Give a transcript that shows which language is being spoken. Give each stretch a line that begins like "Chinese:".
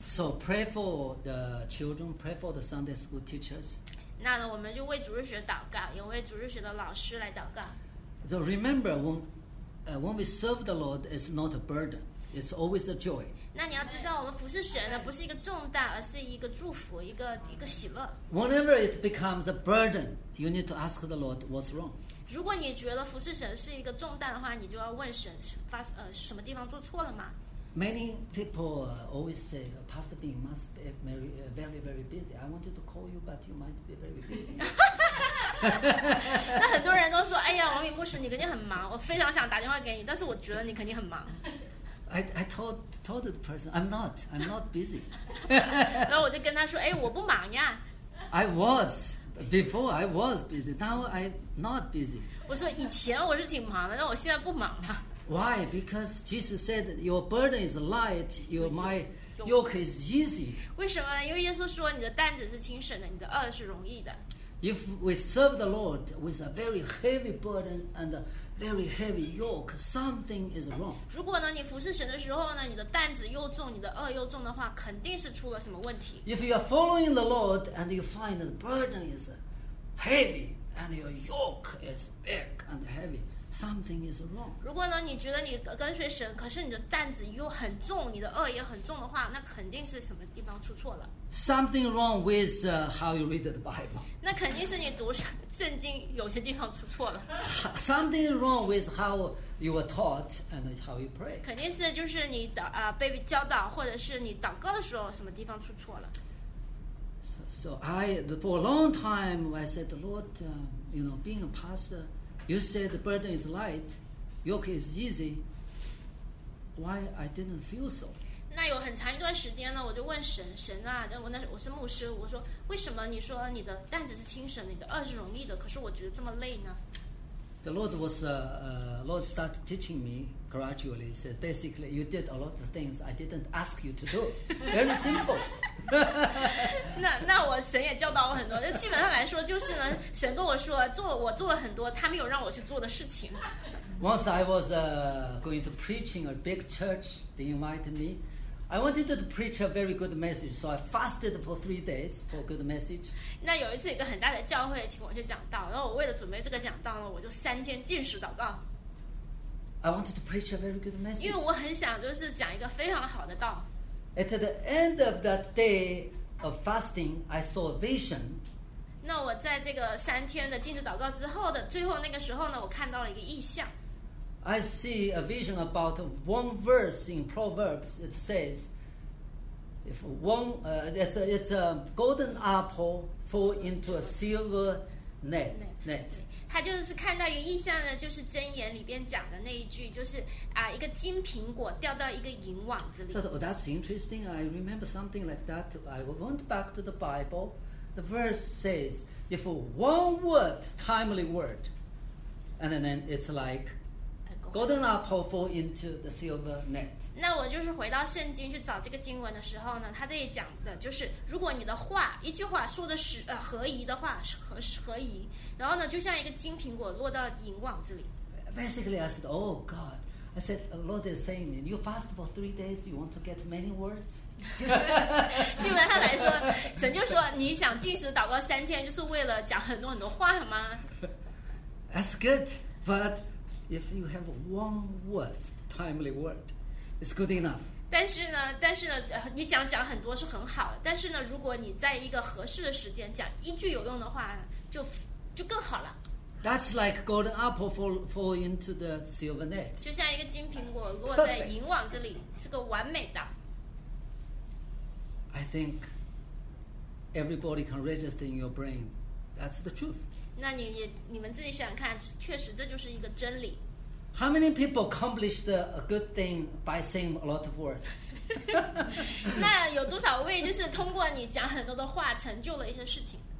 English: So pray for the children, pray for the Sunday school teachers.
Chinese: 那呢，我们就为主日学祷告，也为主日学的老师来祷告。
English: So remember, when we serve the Lord, it's not a burden; it's always a joy.
Chinese: 那你要知道，我们服侍神呢，不是一个重担，而是一个祝福，一个喜乐。
English: Whenever it becomes a burden, you need to ask the Lord what's wrong.
Chinese: 如果你觉得服侍神是一个重担的话，你就要问神什么地方做错了吗？
English: Many people always say, Pastor Bing, you must be very, very, very busy. I wanted to call you, but you might be very busy.
Chinese: 那很多人都说，哎呀，王敏牧师，你肯定很忙。我非常想打电话给你，但是我觉得你肯定很忙。
English: I told the person, I'm not busy.
Chinese: 然后我就跟他说，哎，我不忙呀。
English: I was before. I was busy. Now I'm not busy.
Chinese: 我说以前我是挺忙的，但我现在不忙了。
English: Why? Because Jesus said, "Your burden is light; my yoke is easy."
Chinese: 为什么呢？因为耶稣说，你的担子是轻省的，你的轭是容易的。
English: If we serve the Lord with a very heavy burden and a very heavy yoke, something is wrong.
Chinese: 如果呢，你服侍神的时候呢，你的担子又重，你的轭又重的话，肯定是出了什么问题。
English: If you are following the Lord and you find the burden is heavy and your yoke is big and heavy. Something is wrong.
Chinese: 如果呢，你觉得你跟随神，可是你的担子又很重，你的轭也很重的话，那肯定是什么地方出错了。
English: Something wrong with how you read the Bible.
Chinese: 那肯定是你读圣经有些地方出错了。
English: Something wrong with how you were taught and how you pray.
Chinese: 肯定是就是你的被教导或者是你祷告的时候什么地方出错了。
English: So I for a long time I said, Lord, you know, being a pastor. You said the burden is light, yoke is easy. Why I didn't feel so?
Chinese: 那有很长一段时间呢，我就问神，神啊，我是牧师，我说为什么你说你的担子是轻省，你的轭是容易的，可是我觉得这么累呢
English: ？The Lord was Lord started teaching me gradually. He said basically you did a lot of things I didn't ask you to do. Very simple.
Chinese: 那我神也教导我很多，基本上来说就是呢，神跟我说我做了很多他没有让我去做的事情。
English: Once I was going to preach in a big church, they invited me. I wanted to preach a very good message, so I fasted for 3 days for a good message.
Chinese: 那有一次一个很大的教会请我去讲道，然后我为了准备这个讲道呢，我就3天禁食祷告。
English: I wanted to preach a very good message.
Chinese: 因为我很想就是讲一个非常好的道。
English: At the end of that day of fasting, I saw a vision.
Chinese: 那我在这个3天的禁食祷告之后的最后那个时候呢，我看到了一个异象。
English: I see a vision about one verse in Proverbs. It says, "If one it's a golden apple fall into a silver net."
Chinese: 他就是看到一个意象呢，就是箴言里边讲的那一句，就是一个金苹果掉到一个银网子里。
English: So that's interesting. I remember something like that. I went back to the Bible. The verse says, if one word, timely word, and then it's like golden apple fall into the silver net.
Chinese: 那我就是回到圣经去找这个经文的时候呢，他这里讲的就是，如果你的话一句话说的是合宜的话，合宜。然后呢，就像一个金苹果落到银网子里。
English: Basically, I said, "Oh God," I said, "Lord is saying, you fast for 3 days, you want to get many words."
Chinese: 基本上来说，神就说你想禁食祷告3天，就是为了讲很多很多话吗
English: ？That's good, but if you have one word, timely word, it's good enough.
Chinese: 但是呢，你讲很多是很好，但是呢，如果你在一个合适的时间讲一句有用的话，就更好了。
English: That's like golden apple fall into the silver net.
Chinese: 就像一个金苹果落在银网子里，是个完美的。
English: I think everybody can register in your brain. That's the truth.
Chinese: 那你们自己想看，确实这就是一个真理。
English: How many people accomplished a good thing by saying a lot of words?
Chinese: 那有多少位就是通过你讲很多的话成就了一些事情？